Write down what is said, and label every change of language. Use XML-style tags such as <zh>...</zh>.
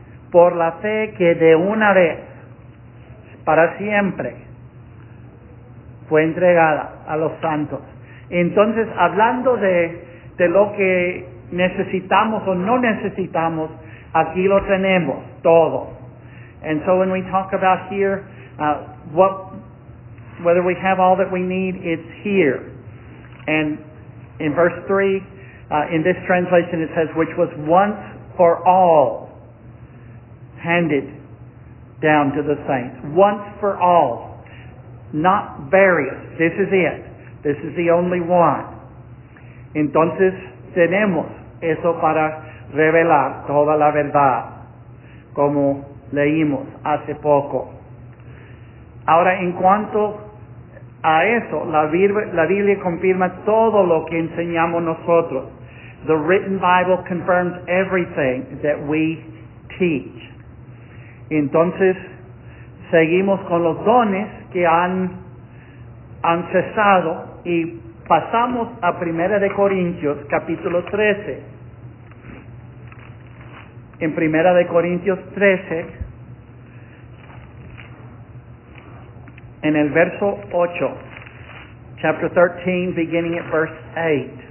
<es>Por la fe que de una vez para siempre fue entregada a los santos. Entonces, hablando de lo que necesitamos o no necesitamos, aquí lo tenemos todo.</es> <en>And so when we talk about here, whether we have all that we need, it's here. And in verse 3, in this translation it says, which was once for all handed down to the saints. Once for all. Not various. This is it. This is the only one.</en> <es>Entonces, tenemos eso para revelar toda la verdad, como leímos hace poco. Ahora, en cuanto a eso, la Biblia confirma todo lo que enseñamos nosotros. The written Bible confirms everything that we teach. Entonces, seguimos con los dones que han cesado y pasamos a Primera de Corintios, capítulo 13. En Primera de Corintios 13, en el verso 8,</es> <en>chapter 13, beginning at verse 8.</en>